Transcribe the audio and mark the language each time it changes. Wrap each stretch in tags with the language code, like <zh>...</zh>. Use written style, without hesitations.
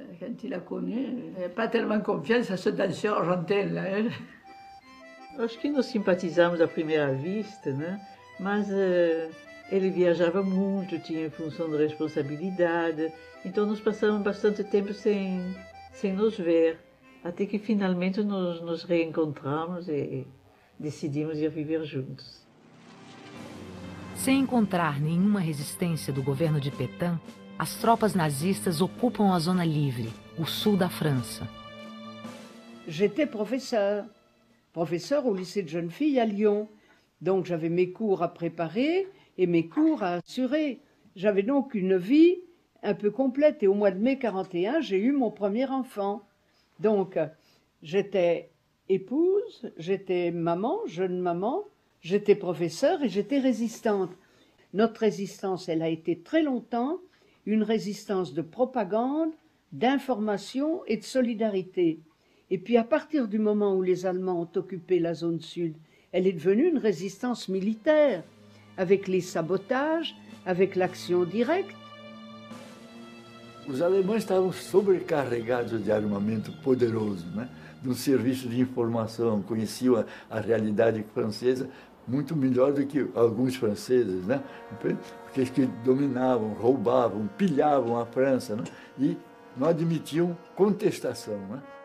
<fr>Quand il l'a connu, il n'avait pas tellement confiance à ce danseur argentin, là. Hein. Je pense que nous sympathisons à première vue, mais...</fr> <pt>Ele viajava muito, tinha função de responsabilidade, então nós passamos bastante tempo sem nos ver, até que finalmente nos reencontramos e decidimos ir viver juntos. Sem encontrar nenhuma resistência do governo de Pétain, as tropas nazistas ocupam a Zona Livre, o sul da França.</pt> <fr>J'étais professeur au lycée de jeunes filles à Lyon, donc j'avais mes cours à préparer et mes cours à assurer. J'avais donc une vie un peu complète. Et au mois de mai 41, j'ai eu mon premier enfant. Donc, j'étais épouse, j'étais maman, jeune maman, j'étais professeure et j'étais résistante. Notre résistance, elle a été très longtemps une résistance de propagande, d'information et de solidarité. Et puis, à partir du moment où les Allemands ont occupé la zone sud, elle est devenue une résistance militaire. Avec les sabotages, avec l'action directe.</fr> <pt>Os alemães estavam sobrecarregados de armamento poderoso, né? De um serviço de informação, conheciam a realidade francesa muito melhor do que alguns franceses, né? Porque eles dominavam, roubavam, pilhavam a França, né? E não admitiam contestação, né?</pt>